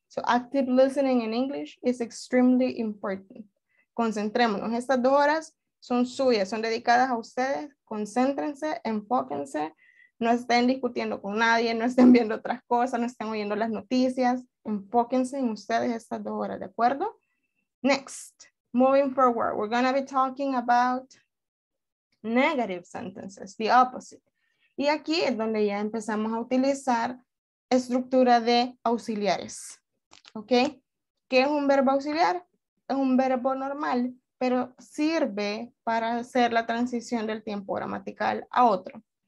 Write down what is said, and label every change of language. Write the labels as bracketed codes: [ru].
[en] So, active listening in English is extremely important. [es] Concentrémonos. Estas dos horas son suyas, son dedicadas a ustedes. Concéntrense, enfóquense. No estén discutiendo con nadie, no estén viendo otras cosas, no estén oyendo las noticias. Enfóquense en ustedes estas dos horas, ¿de acuerdo? [en] Next, moving forward, we're going to be talking about negative sentences, the opposite. [es] Y aquí es donde ya empezamos a utilizar estructura de auxiliares. ¿Ok? ¿Qué es un verbo auxiliar? Es un verbo normal, pero sirve para hacer la transición del tiempo gramatical a otro.